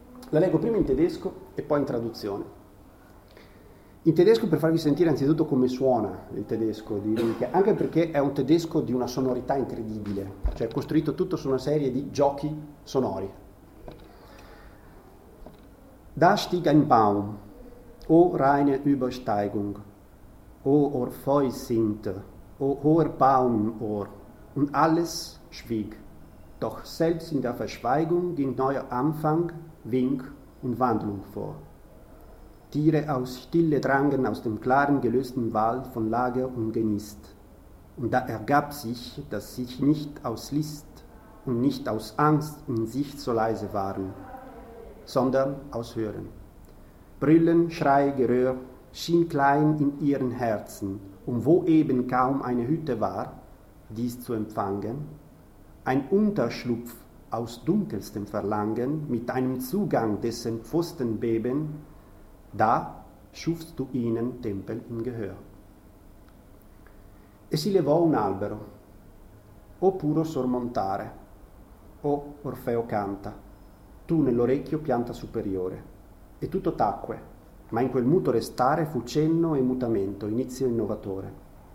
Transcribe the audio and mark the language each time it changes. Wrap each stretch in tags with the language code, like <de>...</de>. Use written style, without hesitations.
<it>La leggo prima in tedesco e poi in traduzione. In tedesco, per farvi sentire anzitutto come suona il tedesco di Rilke, anche perché è un tedesco di una sonorità incredibile, cioè costruito tutto su una serie di giochi sonori.</it> <de>Da stieg ein Baum, o reine Übersteigung, o Orfeu singt, o hoher Baum im Ohr, und alles schwieg, doch selbst in der Verschweigung ging neuer Anfang, Wink und Wandlung vor. Tiere aus Stille drangen aus dem klaren, gelösten Wald von Lager und Genist. Und da ergab sich, dass sich nicht aus List und nicht aus Angst in sich so leise waren, sondern aus Hören. Brüllen, Schrei, Gerör schien klein in ihren Herzen, um wo eben kaum eine Hütte war, dies zu empfangen. Ein Unterschlupf aus dunkelstem Verlangen mit einem Zugang, dessen Pfosten beben, da schufst du ihnen Tempel in Gehör.</de> <it>E si levò un albero, o puro sormontare, o Orfeo canta, tu nell'orecchio pianta superiore. E tutto tacque, ma in quel muto restare fu cenno e mutamento, inizio innovatore.</it>